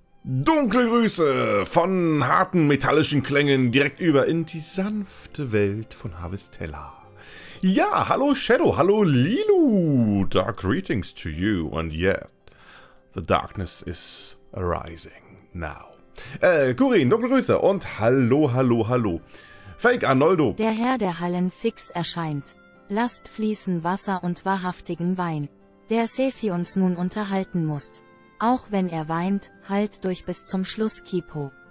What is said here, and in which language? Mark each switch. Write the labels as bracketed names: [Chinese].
[German] Dunkle Grüße von harten metallischen Klängen direkt über in die sanfte Welt von Harvestella. Ja, hallo Shadow, hallo Lilu. [English] Dark greetings to you and yet the darkness is arising now. [German] Kurin, dunkle Grüße und hallo, hallo, hallo. Fake Arnoldo. Der Herr der Hallen fix erscheint. Lasst fließen Wasser und wahrhaftigen Wein, der Sefi uns nun unterhalten muss. Auch wenn er weint, halt durch bis zum Schluss, Kipo.